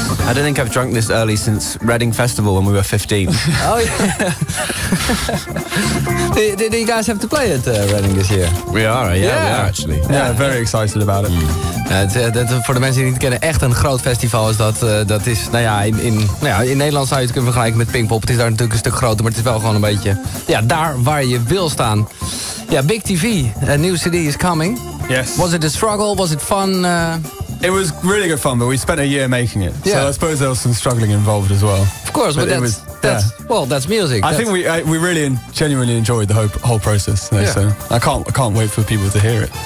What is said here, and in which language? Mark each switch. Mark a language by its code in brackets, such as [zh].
[en] I don't think I've drunk this early since Reading Festival when we were 15. Oh yeah. Do you guys have to play at Reading this year? We are, actually. Yeah, very excited about it. [nl] Voor de mensen die het niet kennen, echt een groot festival is dat. Dat is, in Nederland zou je het kunnen vergelijken met Pinkpop. Het is daar natuurlijk een stuk groter, maar het is wel gewoon een beetje, daar waar je wil staan. Ja, Big TV, een nieuwe CD is coming. [en] Yes. Was it a struggle? Was it fun? It was really good fun, but we spent a year making it. Yeah. So I suppose there was some struggling involved as well. Of course, but that's music. I think we really genuinely enjoyed the whole process. You know, so I can't wait for people to hear it.